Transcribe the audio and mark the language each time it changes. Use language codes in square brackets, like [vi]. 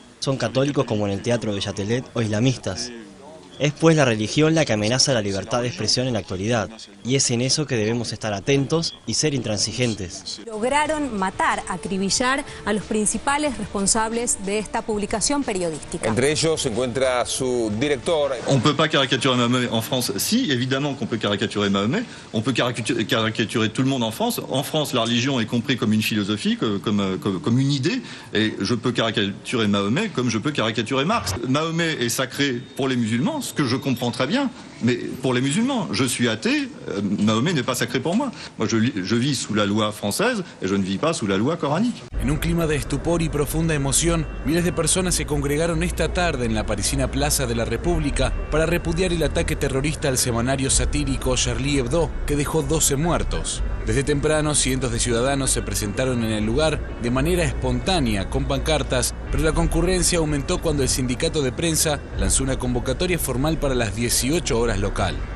[es] Son católicos como en el teatro de Châtelet o islamistas. Es pues la religión la que amenaza la libertad de expresión en la actualidad, y es en eso que debemos estar atentos y ser intransigentes. Lograron matar, acribillar a los principales responsables de esta publicación periodística. Entre ellos se encuentra su director. [fr] On peut pas caricaturer Mahomet en France. Sí, évidemment qu'on peut caricaturer Mahomet. On peut caricaturer tout le monde en France. En France, la religion est comprise comme une philosophie, comme une idée, et je peux caricaturer Mahomet comme je peux caricaturer Marx. Mahomet est sacré pour les musulmans. Ce que je comprends très bien, mais pour les musulmans, je suis athée, Mahomet n'est pas sacré pour moi. Moi, je vis sous la loi française et je ne vis pas sous la loi coranique. [es] En un clima de estupor y profunda emoción, miles de personas se congregaron esta tarde en la parisina Plaza de la República para repudiar el ataque terrorista al semanario satírico Charlie Hebdo, que dejó 12 muertos. Desde temprano, cientos de ciudadanos se presentaron en el lugar de manera espontánea, con pancartas, pero la concurrencia aumentó cuando el sindicato de prensa lanzó una convocatoria formal para las 18 horas local.